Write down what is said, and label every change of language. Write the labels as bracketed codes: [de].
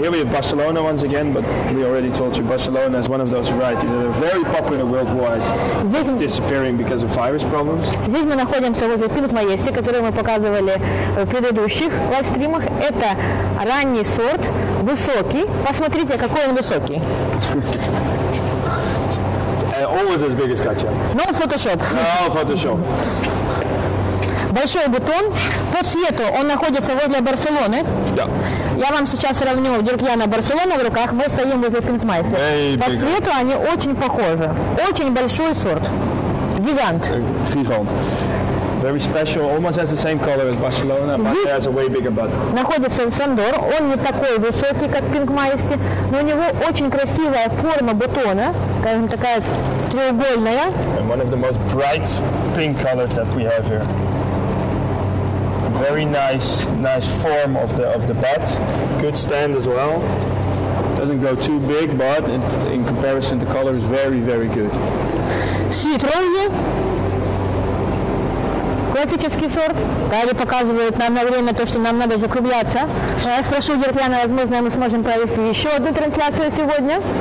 [en] Here we have Barcelona once again, but we already told you Barcelona is one of those varieties that are very popular worldwide. It's disappearing because of virus problems. [ru] Здесь мы находимся возле пилот маести, который мы показывали в предыдущих лайвстримах. Это ранний сорт, высокий. Посмотрите, какой он высокий. [en] Always as big as Katya. No Photoshop. No Photoshop. [ru] Большой бутон. По цвету он находится возле Барселоны. Да. Я вам сейчас сравню Дирк-Яна Барселона в руках. Мы стоим возле Пинкмайстера. По цвету они очень похожи. Очень большой сорт. Гигант. Гигант. [en] Very special. Almost has the same color as Barcelona, but it has a way bigger bud. [ru] Находится Сандор. Он не такой высокий, как Пинкмайстер, но у него очень красивая форма бутона, такая треугольная. [en] And one of the most bright pink colors that we have here. Very nice form of the bud. Good stand as well. Doesn't grow too big, but in comparison, the color is very, very good. [ru] Ситрозе. Классический сорт. Кали показывает нам на время то, что нам надо закругляться. Я спрошу Дирк-Яна, возможно, мы сможем провести еще одну трансляцию сегодня.